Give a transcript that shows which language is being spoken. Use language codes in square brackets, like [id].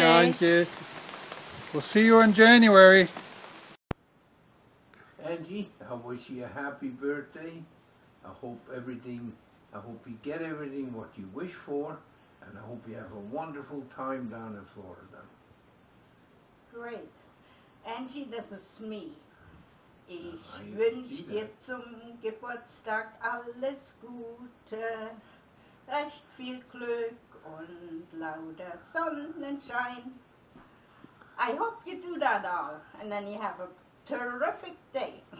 [en] Antje. We'll see you in January. Antje, I wish you a happy birthday. I hope you get everything what you wish for, and I hope you have a wonderful time down in Florida. Great. Antje, this is me. [de] Ich wünsche dir zum Geburtstag alles Gute, recht viel Glück und lauter Sonnenschein. [en] I hope you do that all, and then you have a terrific day.